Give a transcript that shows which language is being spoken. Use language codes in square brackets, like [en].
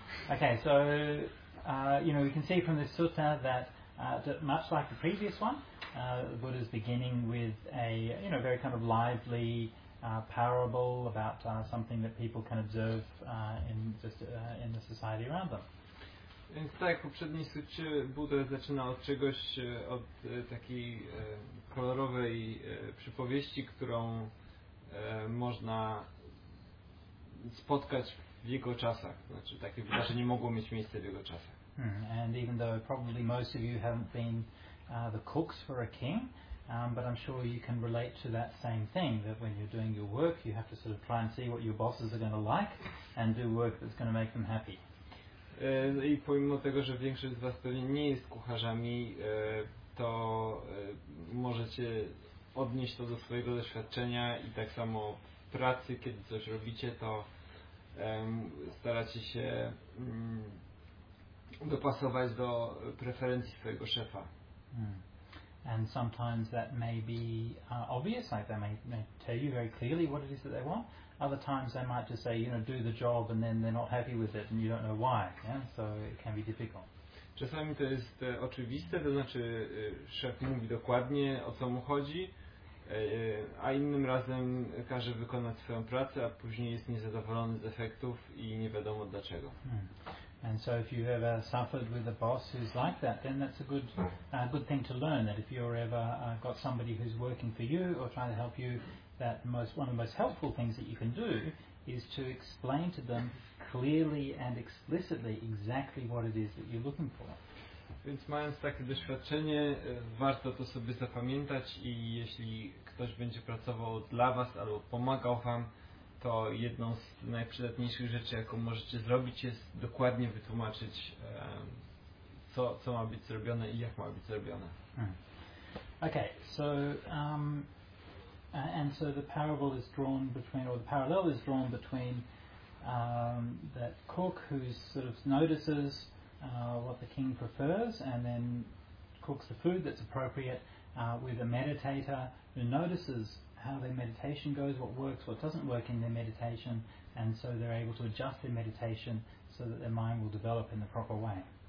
[en] Okay, so, you know, we can see from this sutta that much like the previous one, the Buddha's beginning with a, you know, very kind of lively parable about something that people can observe in the society around them. [pl] Więc tak, w poprzedniej sucie Buddha zaczyna od czegoś, od takiej kolorowej przypowieści, którą można spotkać w jego czasach. Znaczy, takie wydarzenie mogło mieć miejsce w jego czasach. [en] And even though probably most of you haven't been the cooks for a king, but I'm sure you can relate to that same thing, that when you're doing your work, you have to sort of try and see what your bosses are going to like and do work that's going to make them happy. [pl] I pomimo tego, że większość z was pewnie nie jest kucharzami, to możecie odnieść to do swojego doświadczenia i tak samo w pracy, kiedy coś robicie, to staracie się dopasować do preferencji swojego szefa. [en] And sometimes that may be obvious, like they may tell you very clearly what it is that they want. Other times they might just say, you know, do the job, and then they're not happy with it, and you don't know why. Yeah, so it can be difficult. [pl] Czasami to jest oczywiste, to znaczy szef mówi dokładnie, o co mu chodzi, a innym razem każe wykonać swoją pracę, a później jest niezadowolony z efektów i nie wiadomo dlaczego. [en] And so if you've ever suffered with a boss who's like that, then that's a good thing to learn, that if you're ever got somebody who's working for you or trying to help you, that one of the most helpful things that you can do is to explain to them clearly and explicitly exactly what it is that you're looking for. [pl] Więc mając takie doświadczenie, warto to sobie zapamiętać i jeśli ktoś będzie pracował dla was albo pomagał wam, to jedną z najprzydatniejszych rzeczy, jaką możecie zrobić, jest dokładnie wytłumaczyć, co ma być zrobione i jak ma być zrobione. [en] Okay, so and so the parable is drawn between, or the parallel is drawn between that cook who sort of notices what the king prefers and then cooks the food that's appropriate, with a meditator who notices how their meditation goes, what works, what doesn't work in their meditation, and so they're able to adjust their meditation so that their mind will develop in the proper way.